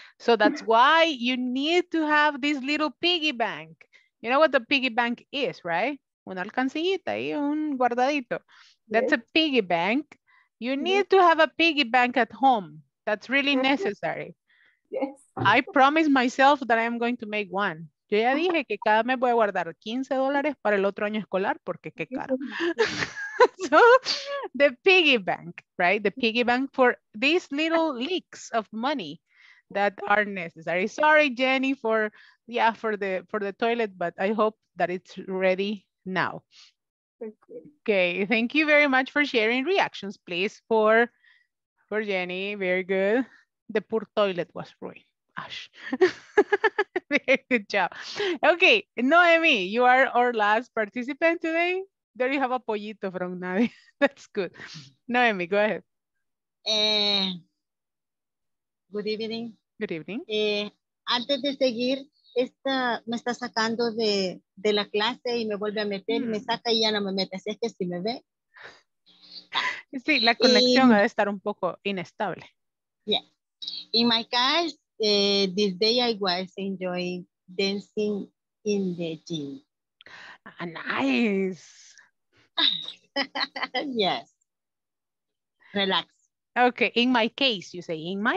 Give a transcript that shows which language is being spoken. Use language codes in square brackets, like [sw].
[en] So that's why you need to have this little piggy bank. You know what the piggy bank is, right? [es] Una alcancillita y un guardadito. [en] That's a piggy bank. You need to have a piggy bank at home. That's really necessary. Yes. I promise myself that I'm going to make one. [es] Yo ya dije que cada mes voy a guardar $15 para el otro año escolar porque qué caro. [en] So, the piggy bank, right? The piggy bank for these little leaks of money that are necessary. Sorry, Jenny, for the toilet, but I hope that it's ready. Now, okay, thank you very much for sharing. Reactions, please, for Jenny. Very good. The poor toilet was ruined. Ash. Very good job. Okay, Noemi, you are our last participant today. There you have a pollito from Nadia. That's good. Noemi, go ahead. Good evening. Good evening. [es] Antes de seguir, esta me está sacando de la clase y me vuelve a meter, me saca y ya no me mete, así es que si me ve. Sí, la conexión ha de estar un poco inestable. [en] Yeah. In my case, this day I was enjoying dancing in the gym. Ah, nice. Yes. Relax. Okay, in my case, you say, in my